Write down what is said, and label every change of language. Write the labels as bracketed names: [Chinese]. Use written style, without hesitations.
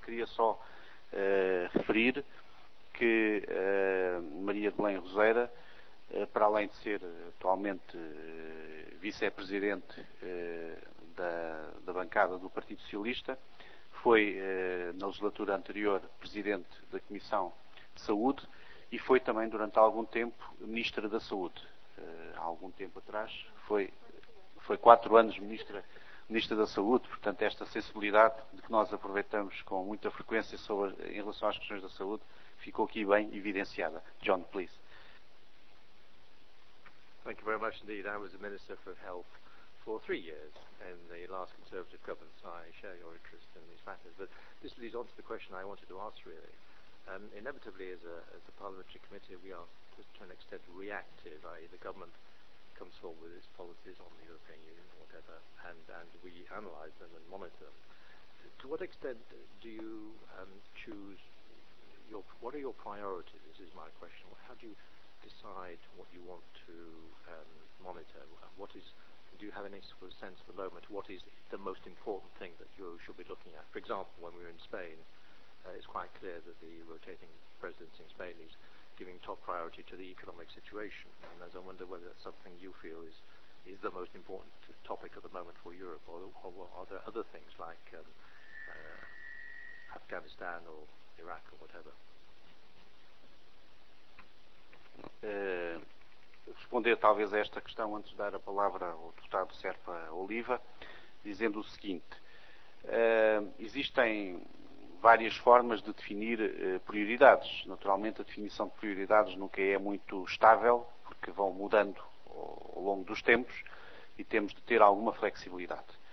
[Portuguese] Queria só referir que Maria de Belém Roseira, para além de ser atualmente vice-presidente da bancada do Partido Socialista, foi na legislatura anterior presidente da Comissão de Saúde e foi também durante algum tempo ministra da Saúde. Há algum tempo atrás foi 4 anos ministra da Saúde, portanto esta sensibilidade de que nós aproveitamos com muita frequência em relação às questões da saúde ficou aqui bem evidenciada. [English] John, please. Thank you very much indeed. I was the Minister for Health for 3 years in the last Conservative government, so I share your interest in these matters. But this leads on to the question I wanted to ask, really. Inevitably, as a parliamentary committee, we are to an extent reactive, i.e. the government comes forward with its policies on the European Union or whatever, and we analyse them and monitor them. To what extent do you choose what are your priorities? This is my question. How do you decide what you want to monitor? Do you have any sort of sense at the moment what is the most important thing that you should be looking at? For example, when we were in Spain, it's quite clear that the rotating presidency in Spain is giving top priority to the economic situation. And as I wonder whether that's something you feel is the most important topic at the moment for Europe, or are there other things like Afghanistan or Iraq or whatever? [Portuguese] Responder talvez a esta questão antes de dar a palavra ao deputado Serpa Oliva, dizendo o seguinte: existem várias formas de definir prioridades. Naturalmente, a definição de prioridades nunca é muito estável, porque vão mudando ao longo dos tempos e temos de ter alguma flexibilidade.